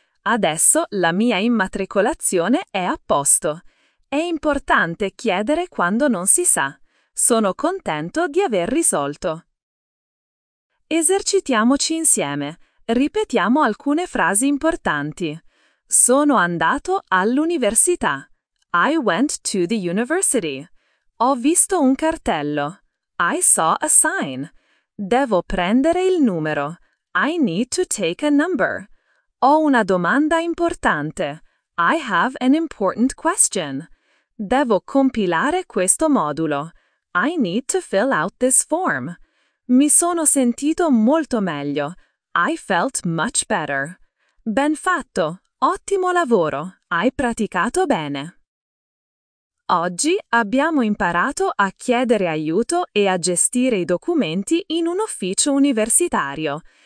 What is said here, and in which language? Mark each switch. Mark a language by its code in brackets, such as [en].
[it] Adesso la mia immatricolazione è a posto. È importante chiedere quando non si sa. Sono contento di aver risolto. Esercitiamoci insieme. Ripetiamo alcune frasi importanti. Sono andato all'università. [en] I went to the university. [it] Ho visto un cartello. [en] I saw a sign. [it] Devo prendere il numero. [en] I need to take a number. [it] Ho una domanda importante. [en] I have an important question. [it] Devo compilare questo modulo. [en] I need to fill out this form. [it] Mi sono sentito molto meglio. [en] I felt much better. [it] Ben fatto. Ottimo lavoro. Hai praticato bene. Oggi abbiamo imparato a chiedere aiuto e a gestire i documenti in un ufficio universitario.